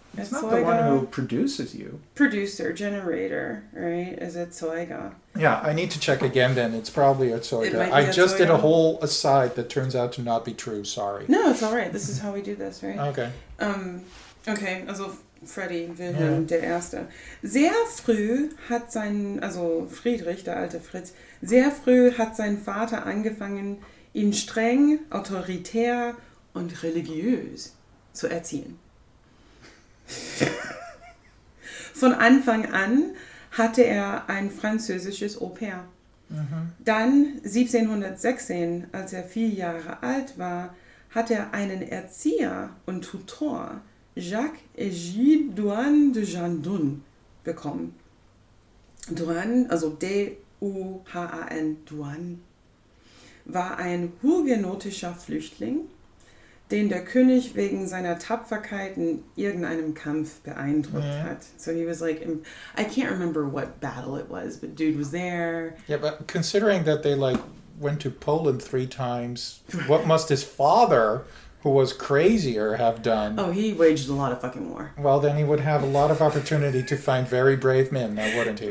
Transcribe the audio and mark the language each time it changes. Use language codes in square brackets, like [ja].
[en] It's not the one who produces you. Producer, generator, right? Is it Zeuga? Yeah, I need to check again then. It's probably a Zeuga. I just did a whole aside that turns out to not be true. Sorry. No, it's all right. This is how we do this, right? Okay. [de] Okay, also Freddy Wilhelm der Erste. Sehr früh hat sein, also Friedrich, der alte Fritz, sehr früh hat sein Vater angefangen, ihn streng, autoritär und religiös zu erziehen. Von Anfang an hatte er ein französisches Au-pair. Mhm. Dann 1716, als er 4 Jahre alt war, hatte er einen Erzieher und Tutor, Jacques et Gilles-Douane de Jandun, bekommen. Douane, also D-U-H-A-N, Douane, war ein hugenotischer Flüchtling, den der König wegen seiner Tapferkeit in irgendeinem Kampf beeindruckt hat. [en] So he was like, I can't remember what battle it was, but dude was there. Yeah, but considering that they like went to Poland 3 times, what must his father, who was crazier, have done? Oh, he waged a lot of fucking war. Well, then he would have a lot of opportunity to find very brave men, now, wouldn't he?